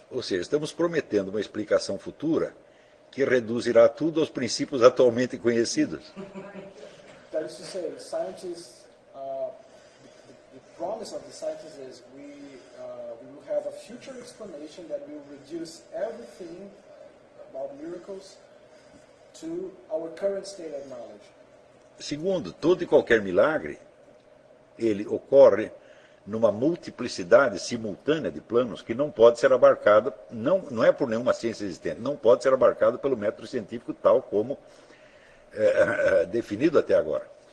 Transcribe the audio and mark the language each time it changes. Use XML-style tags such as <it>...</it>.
<pt>Ou seja, estamos prometendo uma explicação futura que reduzirá tudo aos princípios atualmente conhecidos.</pt> <en>That is to say, scientists, the promise of the scientists is we will have a future explanation that will reduce everything about miracles to our current state of knowledge.</en> <pt>Segundo, todo e qualquer milagre, ele ocorre numa multiplicidade simultânea de planos que não pode ser abarcada, não é por nenhuma ciência existente, não pode ser abarcada pelo método científico tal como definido até agora.</pt>